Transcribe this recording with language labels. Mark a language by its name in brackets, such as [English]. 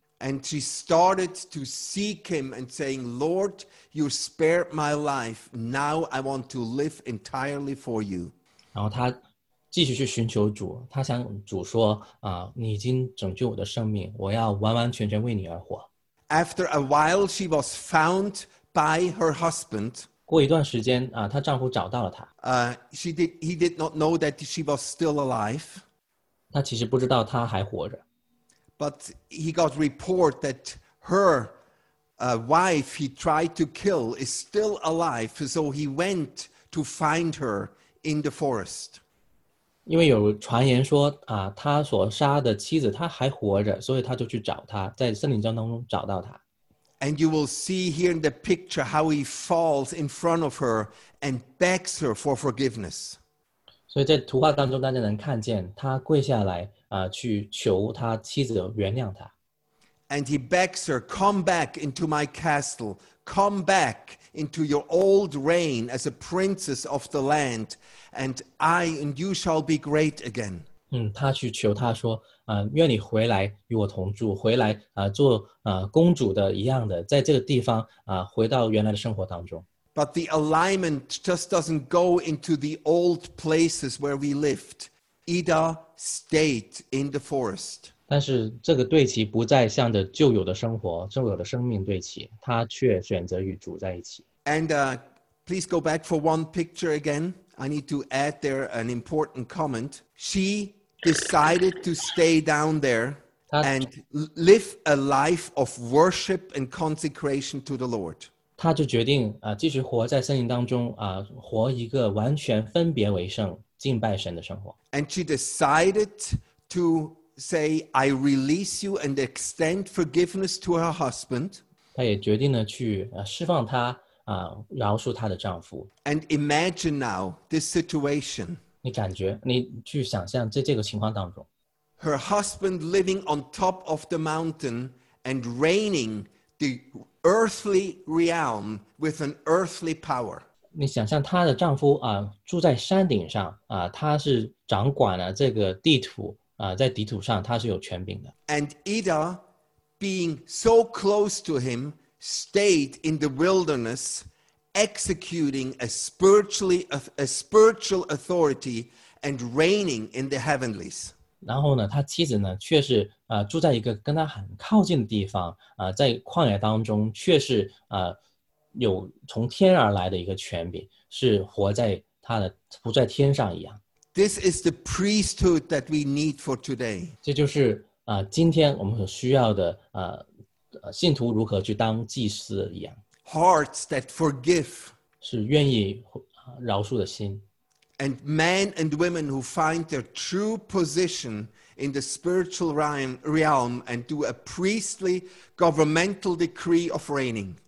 [English] And she started to seek him and saying, Lord, you spared my life. Now I want to live entirely for you. [Chinese] 然后她继续去寻求主，她向主说，你已经拯救我的生命，我要完完全全为你而活。 [English] After a while, she was found by her husband. [Chinese] 过一段时间她丈夫找到了她。 [English] He did not know that she was still alive. [Chinese] 她其实不知道她还活着。 [English] But he got report that her wife he tried to kill is still alive, so he went to find her in the forest. [Chinese] 因为有传言说他所杀的妻子他还活着，所以他就去找他，在森林当中找到他。 [English] And you will see here in the picture how he falls in front of her and begs her for forgiveness. [Chinese] 所以在图画当中大家能看见他跪下来去求他妻子原谅他。 [English] And he begs her, come back into my castle, come back into your old reign as a princess of the land, and you shall be great again. [Chinese] 他去求他说，愿你回来与我同住，回来做公主的一样的，在这个地方回到原来的生活当中。 [English] But the alignment just doesn't go into the old places where we lived. Ida stayed in the forest. [Chinese] 但是这个对齐不再向着旧有的生活、旧有的生命对齐，他却选择与主在一起。 [English] And please go back for one picture again. I need to add there an important comment. She decided to stay down there and live a life of worship and consecration to the Lord. [Chinese] 她就决定继续活在森林当中活一个完全分别为圣。敬拜神的生活。 [English] And she decided to say, I release you and extend forgiveness to her husband. [Chinese] 她也决定了去释放她饶恕她的丈夫。 [English] And imagine now this situation. [Chinese] 你感觉，你去想象在这个情况当中。 [English] Her husband living on top of the mountain and reigning the earthly realm with an earthly power. [Chinese] 你想象她的丈夫住在山顶上她是掌管了这个地土在地土上她是有权柄的。 [English] And Ida, being so close to him, stayed in the wilderness, executing a spiritual authority and reigning in the heavenlies. [Chinese] 然后呢，他妻子呢，却是住在一个跟他很靠近的地方在旷野当中，却是有从天而来的一个权柄，是活在他的不在天上一样。 [English] This is the priesthood that we need for today. [Chinese] 这就是今天我们所需要的信徒如何去当祭司一样。 [English] Hearts that forgive [Chinese] 是愿意饶恕的心。 [English] And men and women who find their true position in the spiritual realm and do a priestly governmental decree of reigning.